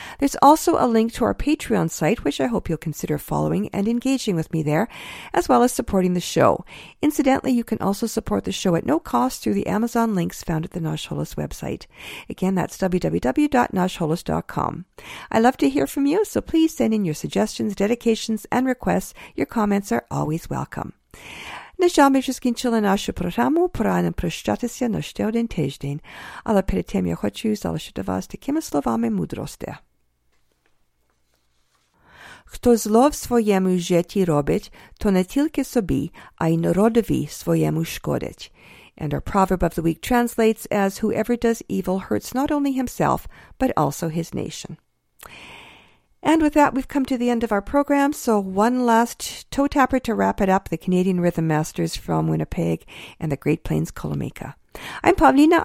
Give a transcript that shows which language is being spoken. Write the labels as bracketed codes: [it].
[en] There's also a link to our Patreon site, which I hope you'll consider following and engaging with me there, as well as supporting the show. Incidentally, you can also support the show at no cost through the Amazon links found at the Nash Holos website. Again, that's www.nashholos.com. I love to hear from you, so please send in your suggestions, dedications, and requests. Your comments are always welcome. [uk] Нажами вже скінчили нашу програму. Пора нам прощатися на ще один тиждень. Але перед тим я хочу залишити вас такими словами мудрості. Хто зло в своєму житті робить, то не тільки собі, а й народові своєму шкодить. [en] And our proverb of the week translates as, whoever does evil hurts not only himself, but also his nation. And with that, we've come to the end of our program. So one last toe-tapper to wrap it up, the Canadian Rhythm Masters from Winnipeg and the Great Plains Kolomika. I'm Pavlina.